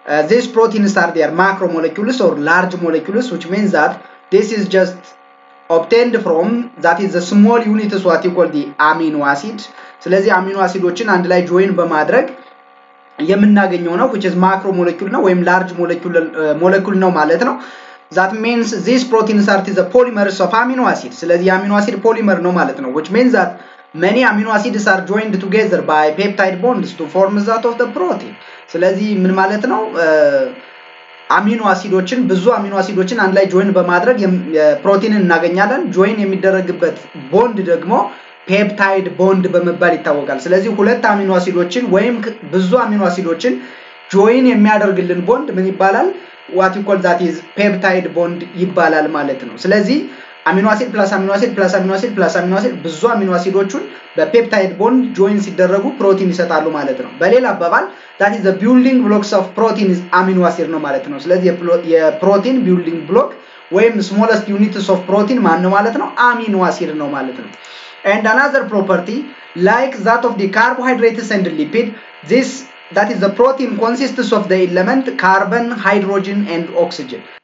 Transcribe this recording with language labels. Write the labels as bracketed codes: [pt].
[en] these proteins are their macromolecules or large molecules, which means that this is just obtained from, that is the small units, what you call the amino acid. [am] ስለዚህ አሚኖ አሲዶችን አንድ ላይ ጆይን በማድረግ የምናገኘው ነው, [en] which is macromolecule [am] ነው ወይም large molecule ነው ማለት ነው. [en] That means these proteins are the polymers of amino acid. [am] ስለዚህ አሚኖ አሲድ polymer ነው ማለት ነው, [en] which means that many amino acids are joined together by peptide bonds to form that of the protein. [am] ስለዚህ ምን ማለት ነው? አሚኖ አሲዶችን ብዙ አሚኖ አሲዶችን አንድ ላይ ጆይን በማድረግ ፕሮቲንን እናገኛለን። ጆይን የሚደረግበት ቦንድ ደግሞ ፔፕታይድ ቦንድ በመባል ይታወቃል። ስለዚህ ሁለት አሚኖ አሲዶችን ወይም ብዙ አሚኖ አሲዶችን ጆይን የሚያደርግልን ቦንድ ምን ይባላል? [en] what you call that is peptide bond [am] ይባላል ማለት ነው። ስለዚህ አሚኖ አሲድ ፕላስ አሚኖ አሲድ ፕላስ አሚኖ አሲድ ፕላስ አሚኖ አሲድ ብዙ አሚኖ አሲዶቹን በፔፕታይድ ቦንድ ጆይን ሲደረጉ ፕሮቲን ይሰጣሉ ማለት ነው። በሌላ አባባል [en] that is the building blocks of protein is amino acid [am] ነው ማለት ነው። ስለዚህ የፕሮቲን building block ወይም [en] smallest units of protein [am] ማን ነው ማለት ነው? አሚኖ አሲድ ነው ማለት ነው። [en] and another property like that of the carbohydrates and lipid, this that is the protein consists of the element carbon, hydrogen and oxygen.